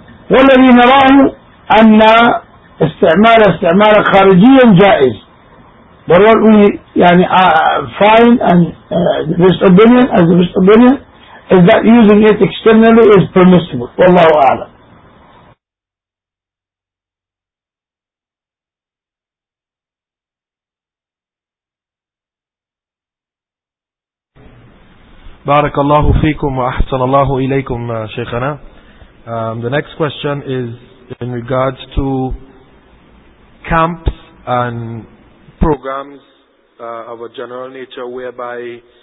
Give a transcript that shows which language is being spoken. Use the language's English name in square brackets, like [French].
[Arabic] والذي نراه أن استعمال خارجيا جائز. [English] But what we يعني find and the best opinion, as the best opinion, is that using it externally is permissible. [Arabic] والله أعلم. بارك الله فيكم وأحسن الله إليكم شيخنا. [English] The next question is in regards to camps and programs of a general nature whereby